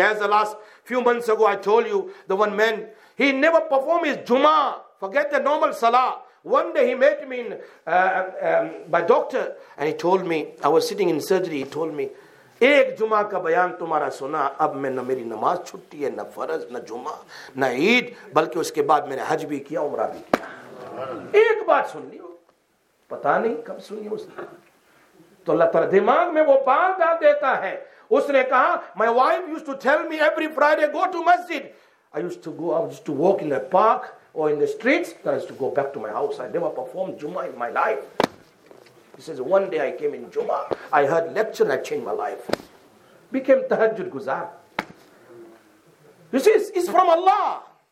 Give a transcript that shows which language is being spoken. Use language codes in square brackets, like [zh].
[en] As the last few months ago I told you, the one man, he never performed his Juma, forget the normal Salah. One day he met me in, by doctor, and he told me, [ur] I was sitting in surgery, he told me, ایک جمعہ کا بیان تمہارا سنا, اب میں نہ میری نماز چھٹی ہے, نہ فرض, نہ جمعہ, نہ عید, بلکہ اس کے بعد میں نے حج بھی کیا, عمرہ بھی کیا. ایک بات سن لی, پتا نہیں کب سنی اس نے. تو اللہ تعالیٰ دماغ میں وہ بات ڈال دیتا ہے, Usne kaha, [en] my wife used to tell me every Friday, go to masjid. I used to go out just to walk in the park or in the streets. Then I used to go back to my house. I never performed Jummah in my life. He says, one day I came in Jummah, I heard lecture, I changed my life. Became tahajjud guzar. You see, it's from Allah.